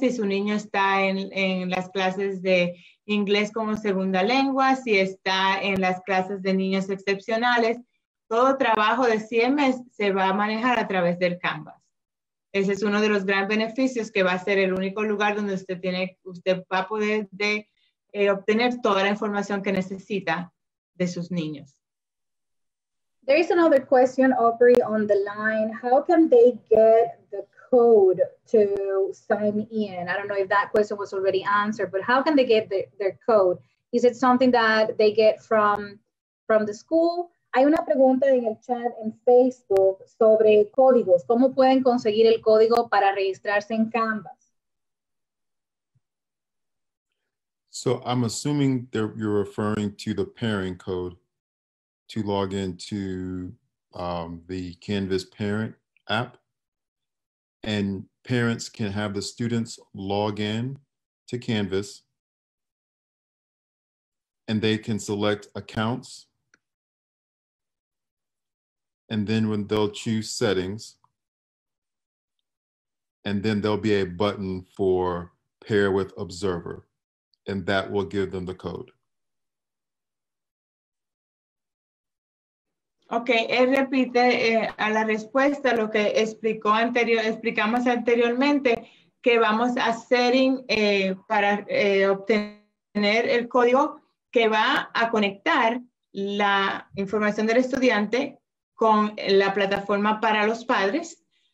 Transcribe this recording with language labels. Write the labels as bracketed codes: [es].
[es] Si su niño está en las clases de inglés como segunda lengua, si está en las clases de niños excepcionales, todo trabajo de CMS se va a manejar a través del Canvas. Ese es uno de los grandes beneficios, que va a ser el único lugar donde usted va a poder obtener toda la información que necesita de sus niños. [en] There is another question, Aubrey, on the line. How can they get the code to sign in? I don't know if that question was already answered, but how can they get their code? Is it something that they get from the school? [es] Hay una pregunta en el chat en Facebook sobre códigos. ¿Cómo pueden conseguir el código para registrarse en Canvas? [en] So I'm assuming that you're referring to the pairing code to log into the Canvas Parent app. And parents can have the students log in to Canvas. And they can select accounts. And then when they'll choose settings, and then there'll be a button for pair with observer, and that will give them the code. [es] Okay, él repite a la respuesta lo que explicó explicamos anteriormente, que vamos a setting para obtener el código que va a conectar la información del estudiante con la plataforma para los padres.